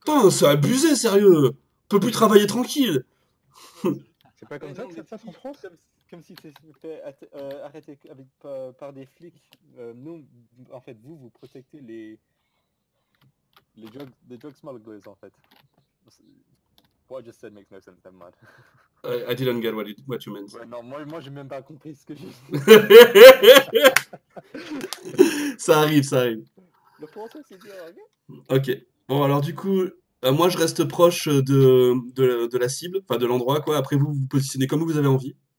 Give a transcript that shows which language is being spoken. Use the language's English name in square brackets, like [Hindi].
[French] Putain, c'est abusé, sérieux. On peut plus travailler tranquille. C'est pas comme ça que ça se passe en France. Comme si c'était arrêté par des flics. Nous, en fait, vous protégez les [English] drug smugglers, [French] en fait. [English] What I just said makes no sense, I'm mad. I didn't get what you meant. [French] Ouais, non, moi j'ai même pas compris ce que j'ai dit. Ça arrive. Le français, c'est dur, ok. Bon, alors du coup... moi, je reste proche de la cible, enfin de l'endroit, quoi. Après, vous vous positionnez comme vous avez envie.